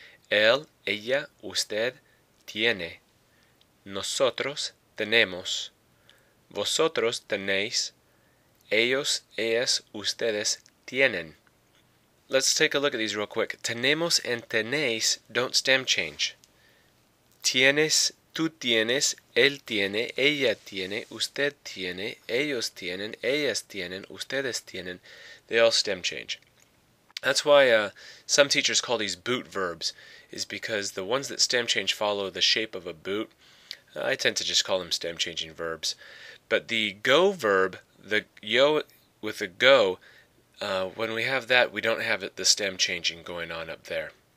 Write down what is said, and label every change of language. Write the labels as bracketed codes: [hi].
[es] Él, ella, usted, tiene. Nosotros, tenemos. Vosotros, tenéis. Ellos, ellas, ustedes, tienen. [en] Let's take a look at these real quick. Tenemos and tenéis don't stem change. [es] Tienes, tú tienes, él tiene, ella tiene, usted tiene, ellos tienen, ellas tienen, ustedes tienen. [en] They all stem change. That's why some teachers call these boot verbs, is because the ones that stem change follow the shape of a boot, I tend to just call them stem changing verbs. But the go verb, the yo with a go, when we have that, we don't have the stem changing going on up there.